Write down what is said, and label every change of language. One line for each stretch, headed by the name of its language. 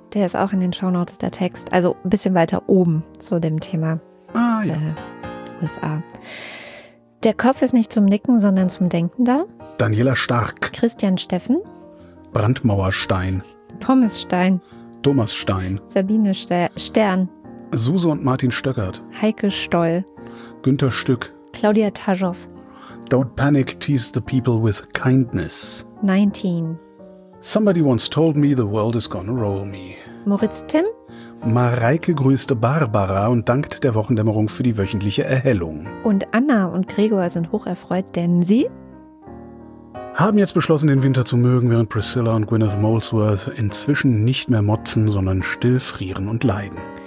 German: Der ist auch in den Shownotes, der Text. Also ein bisschen weiter oben zu dem Thema USA. Der Kopf ist nicht zum Nicken, sondern zum Denken da. Daniela Stark. Christian Steffen. Brandmauerstein. Pommesstein. Thomas Stein. Sabine Stern. Suse und Martin Stöckert. Heike Stoll. Günther Stück. Claudia Taschow.
English: Don't panic, tease the people with kindness.
German: 19.
English: Somebody once told me the world is gonna roll me.
German: Moritz Tim. Mareike grüßte Barbara und dankt der Wochendämmerung für die wöchentliche Erhellung. Und Anna und Gregor sind hocherfreut, denn sie haben jetzt beschlossen, den Winter zu mögen, während Priscilla und Gwyneth Molesworth inzwischen nicht mehr motzen, sondern still frieren und leiden.